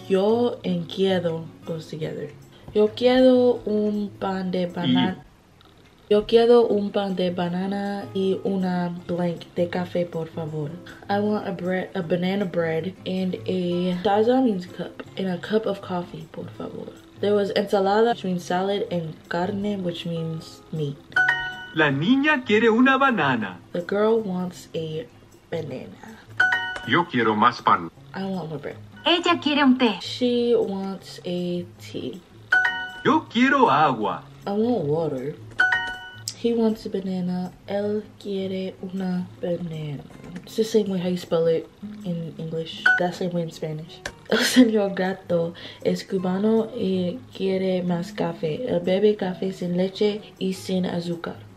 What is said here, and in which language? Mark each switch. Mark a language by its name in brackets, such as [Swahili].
[Spanish] Yo en quiero [English] goes together. [Spanish] Yo quiero un pan de banana. Yo quiero un pan de banana y una blank de café, por favor. [English] I want a banana bread and a Dasani's cup and a cup of coffee, [Spanish] por favor. [English] There was ensalada, which means salad, and carne, which means meat. [Spanish] La niña quiere una banana. [English] The girl wants a banana. [Spanish] Yo quiero más pan. [English] I want more bread. [Spanish] Ella quiere un té. [English] She wants a tea. [Spanish] Yo quiero agua. [English] I want water. He wants a banana. [Spanish] Él quiere una banana. [English] It's the same way how you spell it in English. That same way in Spanish. [Spanish] El señor gato es cubano y quiere más café. El bebe café sin leche y sin azúcar.